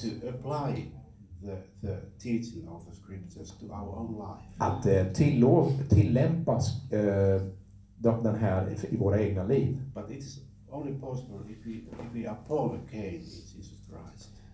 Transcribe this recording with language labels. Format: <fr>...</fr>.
<en>To apply the teaching of the scriptures to our own life.</en> <sv>Att tillämpas den här i våra egna liv.</sv> <en>But it's only possible if we are born again in Jesus Christ.</en>